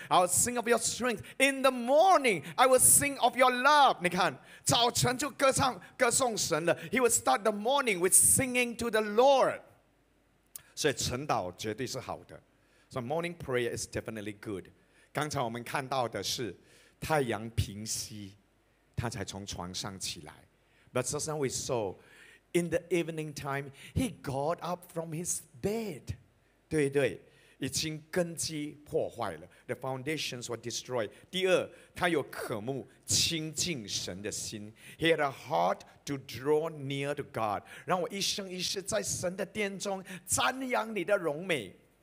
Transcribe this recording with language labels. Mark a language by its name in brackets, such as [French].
[English] I'll sing of your strength in the morning. I will sing of your love. [Chinese] 你看，早晨就歌唱歌颂神了。 [English] He will start the morning with singing to the Lord. [Chinese] 所以晨祷绝对是好的。 [English] So morning prayer is definitely good. [Chinese] 刚才我们看到的是， 太阳平息，他才从床上起来。 [English] But just as we saw, in the evening time, he got up from his bed. [Chinese] 对，已经根基破坏了。 [English] The foundations were destroyed. [Chinese] 第二，他有渴慕亲近神的心。 [English] He had a heart to draw near to God. [Chinese] 让我一生一世在神的殿中瞻仰你的荣美。